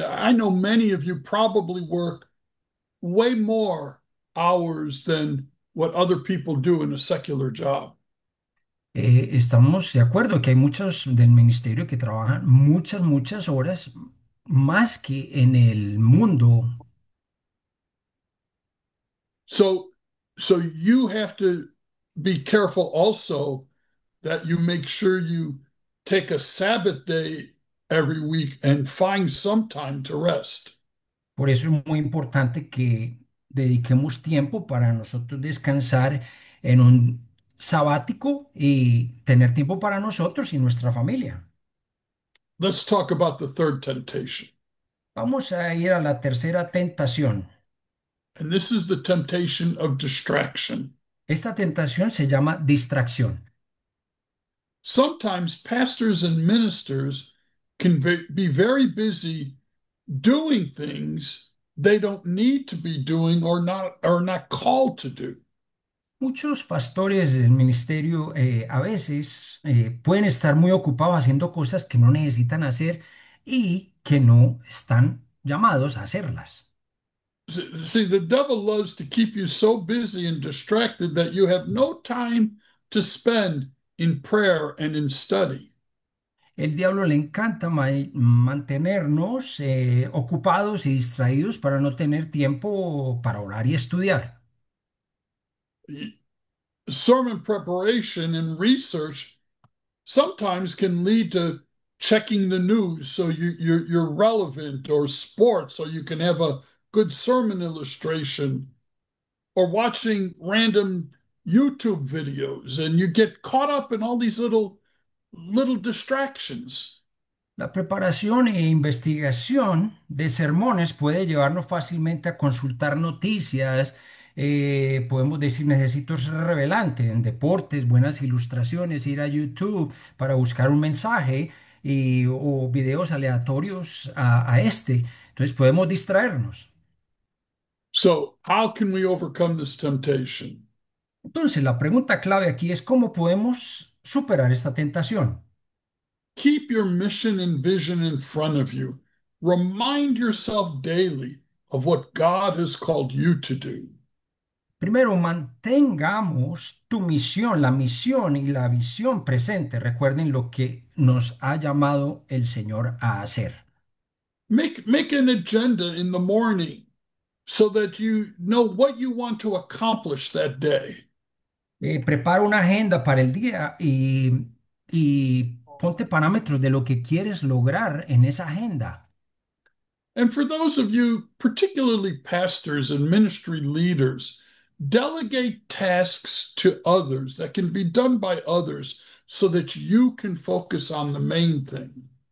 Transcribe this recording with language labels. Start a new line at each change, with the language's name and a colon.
English: I know many of you probably work way more hours than what other people do in a secular job.
Spanish: Estamos de acuerdo que hay muchos del ministerio que trabajan muchas, muchas horas más que en el mundo.
English: So you have to be careful also that you make sure you take a Sabbath day every week and find some time to rest.
Spanish: Por eso es muy importante que dediquemos tiempo para nosotros descansar en un sabático y tener tiempo para nosotros y nuestra familia.
English: Let's talk about the third temptation.
Spanish: Vamos a ir a la tercera tentación.
English: And this is the temptation of distraction.
Spanish: Esta tentación se llama distracción.
English: Sometimes pastors and ministers can be very busy doing things they don't need to be doing or not called to do.
Spanish: Muchos pastores del ministerio a veces pueden estar muy ocupados haciendo cosas que no necesitan hacer y que no están llamados a hacerlas.
English: See, the devil loves to keep you so busy and distracted that you have no time to spend in prayer and in study.
Spanish: El diablo le encanta ma mantenernos ocupados y distraídos para no tener tiempo para orar y estudiar.
English: Sermon preparation and research sometimes can lead to checking the news so you're relevant, or sports so you can have a good sermon illustration, or watching random YouTube videos, and you get caught up in all these little distractions.
Spanish: La preparación e investigación de sermones puede llevarnos fácilmente a consultar noticias, podemos decir necesito ser relevante en deportes, buenas ilustraciones, ir a YouTube para buscar un mensaje y, o videos aleatorios a este. Entonces podemos distraernos.
English: So, how can we overcome this temptation?
Spanish: Entonces la pregunta clave aquí es ¿cómo podemos superar esta tentación?
English: Keep your mission and vision in front of you. Remind yourself daily of what God has called you to do.
Spanish: Primero, mantengamos tu misión, la misión y la visión presente. Recuerden lo que nos ha llamado el Señor a hacer.
English: Make an agenda in the morning, so that you know what you want to accomplish that day.
Spanish: Prepara una agenda para el día y ponte parámetros de lo que quieres lograr en esa agenda.
English: And for those of you, particularly pastors and ministry leaders, delegate tasks to others that can be done by others so that you can focus on the main thing.